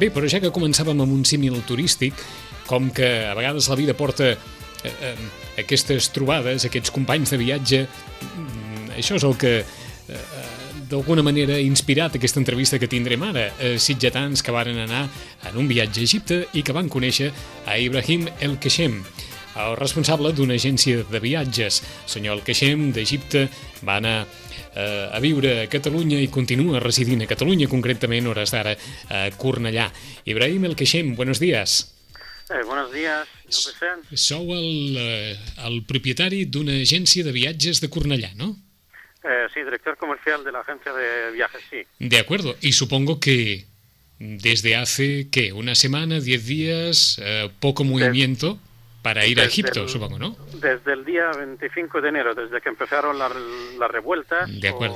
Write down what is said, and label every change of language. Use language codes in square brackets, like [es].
[ca] Bé, però ja que començàvem amb un símil turístic, com que a vegades la vida porta aquestes trobades, aquests companys de viatge, això és el que d'alguna manera ha inspirat aquesta entrevista que tindrem ara, sitgetans que varen anar en un viatge a Egipte i que van conèixer a Ibrahim El-Keshem, el responsable d'una agència de viatges. El senyor El-Keshem, d'Egipte, va anar a viure a Catalunya i continua residint a Catalunya, concretament hores d'ara a Cornellà. [es] Ibrahim El-Keshem, buenos días. Buenos días, señor Vicent. [ca] Sou el propietari d'una agència de viatges de Cornellà, no? [es] Sí, director comercial de la agencia de viajes, sí. De acuerdo, y supongo que desde hace, ¿qué?, una semana, 10 días, poco movimiento para ir a Egipto, supongo, ¿no? Desde el día 25 de enero, desde que empezaron la revuelta, de acuerdo.